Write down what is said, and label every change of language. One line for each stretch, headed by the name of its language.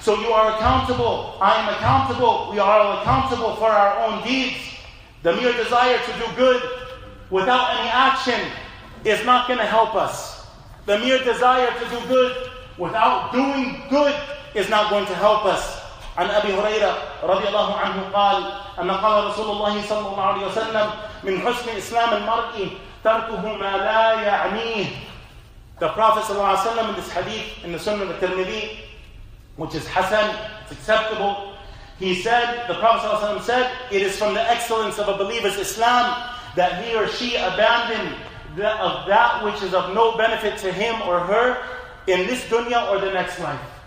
English: So you are accountable, I am accountable, we are all accountable for our own deeds. The mere desire to do good without any action is not going to help us. The mere desire to do good without doing good is not going to help us.
Arabic: عن أبي هريرة رضي الله عنه قال أن قال رسول الله صلى الله عليه وسلم من حسن إسلام المرء تركه ما لا يعنيه.
English: The Prophet
Arabic: صلى الله عليه وسلم
English: in this hadith in the Sunan al-Tirmidhi, which is Hasan, it's acceptable, he said, the Prophet ﷺ said, it is from the excellence of a believer's Islam that he or she abandon of that which is of no benefit to him or her in this dunya or the next life.